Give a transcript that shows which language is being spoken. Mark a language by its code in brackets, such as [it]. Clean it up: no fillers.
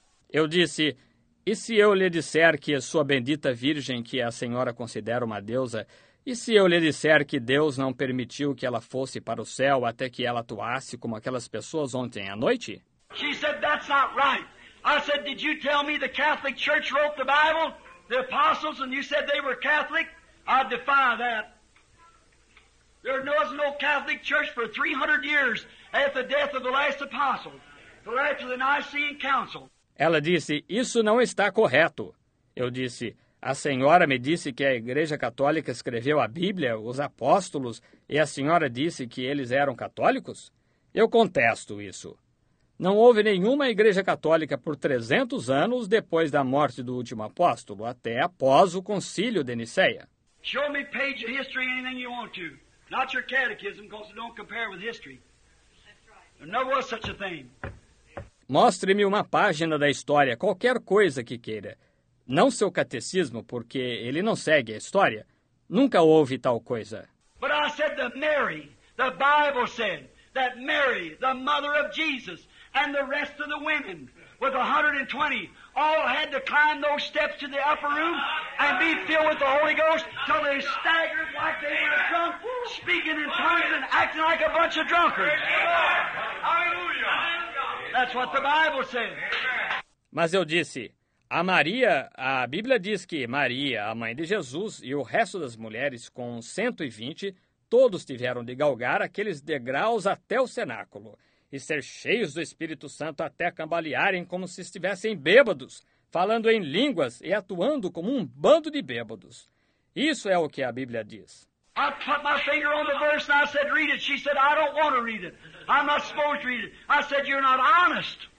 [pt] Eu disse, e se eu lhe disser que a sua bendita virgem, que a senhora considera uma deusa, e se eu lhe disser que Deus não permitiu que ela fosse para o céu até que ela atuasse como aquelas pessoas ontem à noite? [en] She said, that's not right. I said, did you tell me the Catholic Church wrote the Bible, the apostles, and you said they were Catholic? I defy that. There was no Catholic Church for 300 years at the death of the last apostle, till after the Nicene Council. [pt] Ela disse, isso não está correto. Eu disse, a senhora me disse que a Igreja Católica escreveu a Bíblia, os apóstolos, e a senhora disse que eles eram católicos? Eu contesto isso. Não houve nenhuma igreja católica por 300 anos depois da morte do último apóstolo, até após o concílio de Niceia. [en] Show me page of history, anything you want to. Not your catechism, because it don't compare with history. There never was such a thing. [pt] Mostre-me uma página da história, qualquer coisa que queira. Não seu catecismo, porque ele não segue a história. Nunca houve tal coisa. [en] But I said that Mary, the Bible said that Mary, the mother of Jesus, and the rest of the women, with 120, all had to climb those steps to the upper room and be filled with the Holy Ghost till they staggered like they were drunk. Woo! speaking in tongues and acting like a bunch of drunkards. Hallelujah. That's what the Bible says. [pt] Mas eu disse, a Maria, a Bíblia diz que Maria, a mãe de Jesus, e o resto das mulheres com 120, todos tiveram de galgar aqueles degraus até o cenáculo e ser cheios do Espírito Santo até cambalearem como se estivessem bêbados, falando em línguas e atuando como um bando de bêbados. Isso é o que a Bíblia diz. [en] I put my finger on the verse and I said, read it. She said, I don't want to read it. I'm not supposed to read it. I said, you're not honest.